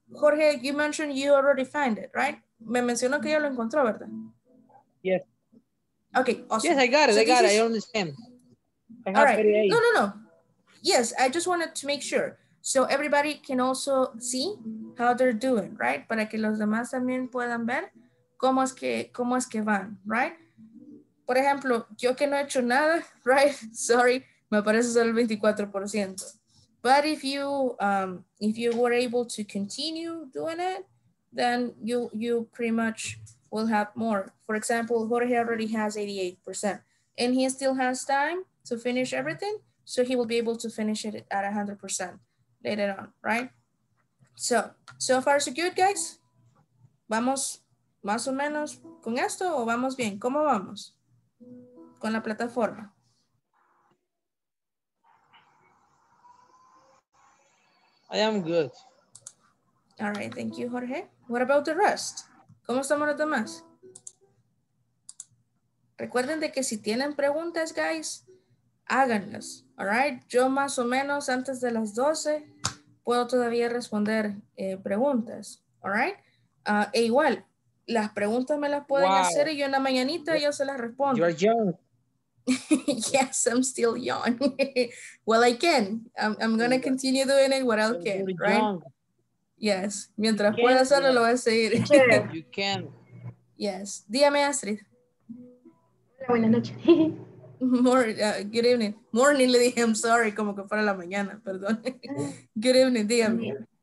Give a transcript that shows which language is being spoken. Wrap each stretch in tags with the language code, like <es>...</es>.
<en>Jorge, you mentioned you already found it, right?</en> <es>Me mencionó que ya lo encontró, ¿verdad?</es> <en>Yes. Okay, awesome. Yes, I got it, so I got it, I understand. All right, no. Yes, I just wanted to make sure. So everybody can also see how they're doing, right?</en> <es>Para que los demás también puedan ver cómo es que van,</es> <en>right?</en> <es>Por ejemplo, yo que no he hecho nada,</es> <en>right? Sorry,</en> <es>me aparece solo el 24%.</es> <en>But if you were able to continue doing it, then you pretty much will have more. For example, Jorge already has 88%. And he still has time to finish everything, so he will be able to finish it at 100% later on, right? So far so good, guys?</en> <es>¿Vamos más o menos con esto o vamos bien? ¿Cómo vamos? Con la plataforma.</es> <en>I am good. All right, thank you, Jorge. What about the rest?</en> <es>¿Cómo estamos los demás? Recuerden de que si tienen preguntas,</es> <en>guys,</en> <es>háganlas,</es> <en>all right?</en> <es>Yo más o menos antes de las 12 puedo todavía responder preguntas,</es> <en>all right?</en> <es>E igual, las preguntas me las pueden wow. hacer y yo en la mañanita yo se las respondo.</es> <en>You're young. Yes, I'm still young. Well, I can. I'm gonna continue doing it what I can, right? Yes,</en> <es>mientras pueda hacerlo, lo voy a seguir.</es> <en>You can. Yes,</en> <es>dígame, Astrid. Hola, buenas noches.</es> <en>Good evening. Morning,</en> <es>le dije,</es> <en>I'm sorry,</en> <es>como que fuera la mañana, perdón.</es> <en>Good evening,</en> <es>dígame.</es>